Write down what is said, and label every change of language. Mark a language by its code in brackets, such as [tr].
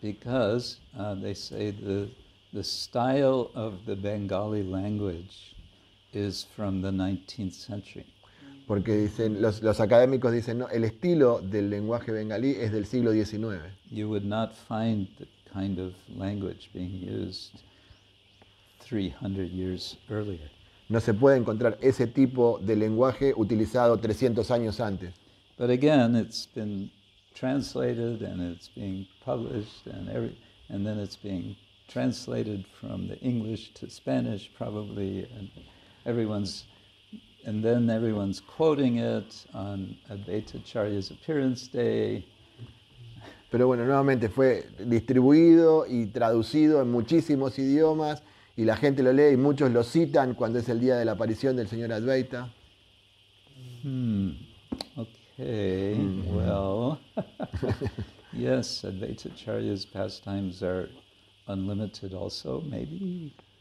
[en] Because, they say, the style of the Bengali language is from the 19th century. [es] Porque dicen, los académicos dicen, no, el estilo del lenguaje bengalí es del siglo XIX. [en] You would not find the kind of language being used 300 years earlier. [es] No se puede encontrar ese tipo de lenguaje utilizado 300 años antes. [en] But again, it's been translated and it's being published and then it's being translated from the English to Spanish probably, and then everyone's quoting it on Advaita Acharya's appearance day. [es] Pero bueno, nuevamente fue distribuido y traducido en muchísimos idiomas y la gente lo lee y muchos lo citan cuando es el día de la aparición del señor Advaita. [en] Okay, well, yes, Advaita Acharya's pastimes are unlimited also, maybe.